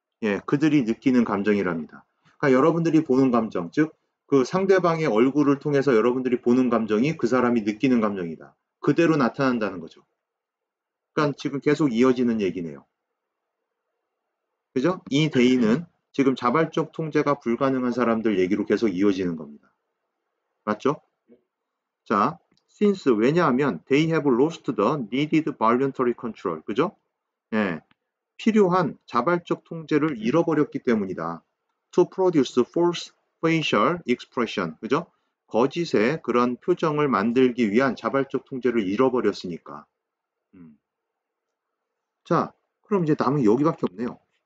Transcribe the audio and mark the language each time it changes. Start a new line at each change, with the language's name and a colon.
Korean: 예, 그들이 느끼는 감정이랍니다. 그러니까 여러분들이 보는 감정, 즉, 그 상대방의 얼굴을 통해서 여러분들이 보는 감정이 그 사람이 느끼는 감정이다. 그대로 나타난다는 거죠. 그러니까 지금 계속 이어지는 얘기네요. 그죠? 이 데이는 지금 자발적 통제가 불가능한 사람들 얘기로 계속 이어지는 겁니다. 맞죠?
English: 자, since,
Korean: 왜냐하면,
English: they have lost the needed voluntary control.
Korean: 그죠? 예. 필요한 자발적 통제를 잃어버렸기 때문이다.
English: To produce false facial expression.
Korean: 그죠? 거짓의 그런 표정을 만들기 위한 자발적 통제를 잃어버렸으니까. 자, 그럼 이제 남은 게 여기밖에 없네요.